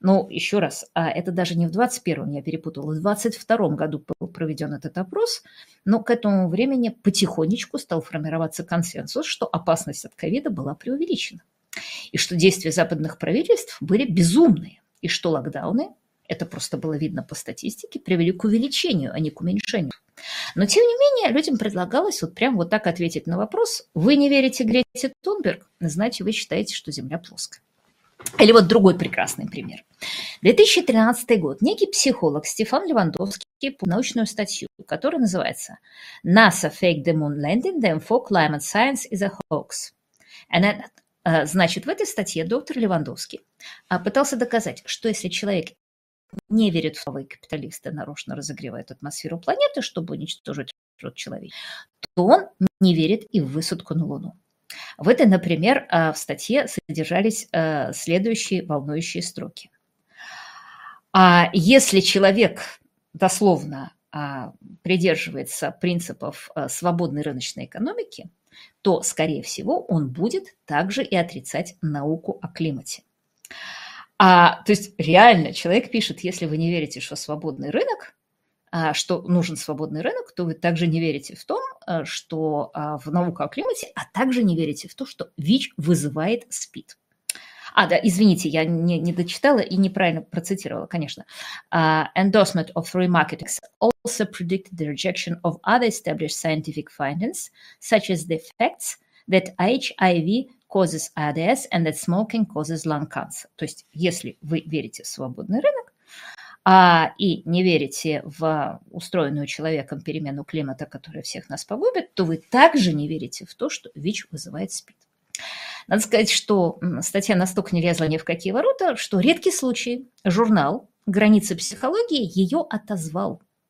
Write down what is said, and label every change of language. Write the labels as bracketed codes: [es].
[ru] Еще раз, это даже не в 21-м, я перепутала, в 22-м году был проведен этот опрос, но к этому времени потихонечку стал формироваться консенсус, что опасность от ковида была преувеличена, и что действия западных правительств были безумные, и что локдауны, это просто было видно по статистике, привели к увеличению, а не к уменьшению. Но, тем не менее, людям предлагалось так ответить на вопрос, вы не верите Грете Тунберг, значит, вы считаете, что Земля плоская. Или вот другой прекрасный пример. 2013 год. Некий психолог Стефан Левандовский по научную статью, которая называется [en] «NASA faked the moon landing, therefore climate science is a hoax». [ru] В этой статье доктор Левандовский пытался доказать, что если человек не верит в новые капиталисты, нарочно разогревает атмосферу планеты, чтобы уничтожить род человечества, то он не верит и в высадку на Луну. В этой, например, в статье содержались следующие волнующие строки. А если человек дословно придерживается принципов свободной рыночной экономики, то, скорее всего, он будет также и отрицать науку о климате. То есть реально человек пишет, если вы не верите, что свободный рынок, что нужен свободный рынок, то вы также не верите в то, что в науку о климате, а также не верите в то, что ВИЧ вызывает СПИД. А, да, извините, я не дочитала и неправильно процитировала, конечно. [en] Endorsement of free markets also predicted the rejection of other established scientific findings, such as the facts that HIV causes AIDS and that smoking causes lung cancer. [ru] То есть, если вы верите в свободный рынок, и не верите в устроенную человеком перемену климата, которая всех нас погубит, то вы также не верите в то, что ВИЧ вызывает СПИД. Надо сказать, что статья настолько не лезла ни в какие ворота, что редкий случай журнал «Границы психологии» ее отозвал.